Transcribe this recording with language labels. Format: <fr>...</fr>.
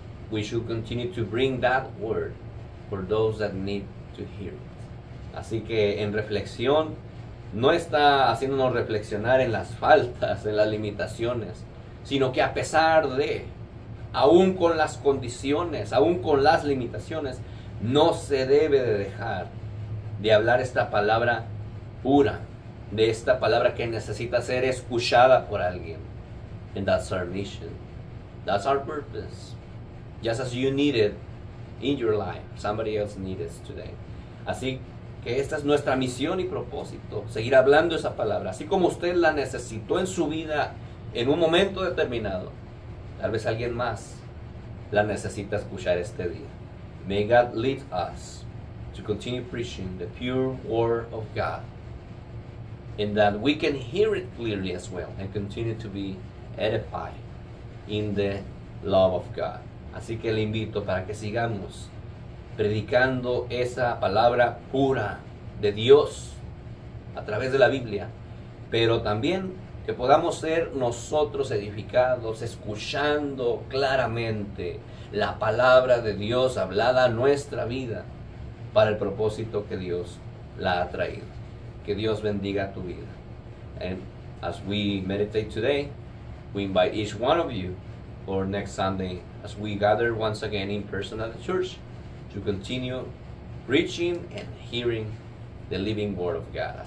<en>We should continue to bring that word for those that need to hear.</en> <es>Así que en reflexión, no está haciéndonos reflexionar en las faltas, en las limitaciones, sino que a pesar de, aún con las condiciones, aún con las limitaciones, no se debe de dejar de hablar esta palabra pura, de esta palabra que necesita ser escuchada por alguien.</es> <en>And that's our mission. That's our purpose. Just as you need it in your life, somebody else needs it today.</en> <es>Así que esta es nuestra misión y propósito, seguir hablando esa palabra. Así como usted la necesitó en su vida en un momento determinado, tal vez alguien más la necesita escuchar este día.</es> <en>May God lead us to continue preaching the pure word of God, and that we can hear it clearly as well, and continue to be edified in the love of God.</en> <es>Así que le invito para que sigamos predicando esa palabra pura de Dios a través de la Biblia, pero también que podamos ser nosotros edificados escuchando claramente la palabra de Dios hablada a nuestra vida para el propósito que Dios la ha traído. Que Dios bendiga tu vida.</es> <en>And as we meditate today, we invite each one of you for next Sunday as we gather once again in person at the church to continue preaching and hearing the living word of God.</en>